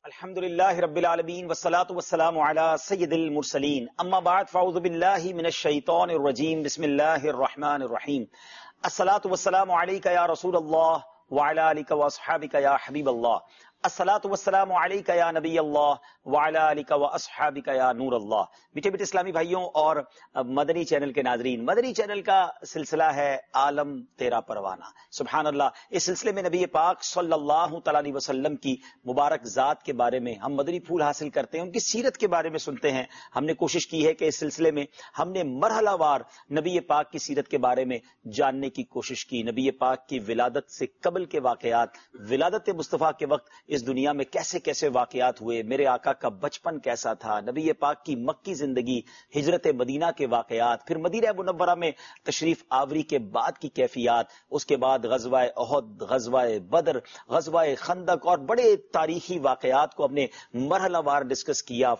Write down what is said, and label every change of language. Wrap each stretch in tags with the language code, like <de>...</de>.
<ar>الحمد للہ رب العالمین، والصلاۃ والسلام علی سید المرسلین، اما بعد، فاعوذ باللہ من الشیطان الرجیم، بسم اللہ الرحمن الرحیم. الصلاۃ والسلام علیک یا رسول اللہ وعلى آلك وأصحابك يا حبيب الله، الصلاة والسلام عليك يا نبي الله وعلى آلك وأصحابك يا نور الله.</ar> <ur>بیٹے بیٹے اسلامی بھائیوں اور مدنی چینل کے ناظرین، مدنی چینل کا سلسلہ ہے عالم تیرا پروانہ. سبحان اللہ، اس سلسلے میں نبی پاک صلی اللہ علیہ وسلم کی مبارک ذات کے بارے میں ہم مدنی پھول حاصل کرتے ہیں، ان کی سیرت کے بارے میں سنتے ہیں. ہم نے کوشش کی ہے کہ اس سلسلے میں ہم نے مرحلہ وار نبی پاک کی سیرت کے بارے میں جاننے کی کوشش کی، نبی پاک کی ولادت سے قبل کے واقعات، ولادت مصطفیٰ کے وقت اس دنیا میں کیسے کیسے واقعات ہوئے، میرے آقا کا بچپن کیسا تھا، نبی پاک کی مکی زندگی، ہجرت مدینہ کے واقعات، پھر مدینہ منورہ میں تشریف آوری کے بعد کی کیفیات، اس کے بعد غزوہ احد، غزوہ بدر، غزوہ خندق، اور بڑے تاریخی واقعات کو اپنے مرحلہ وار ڈسکس کیا.</ur>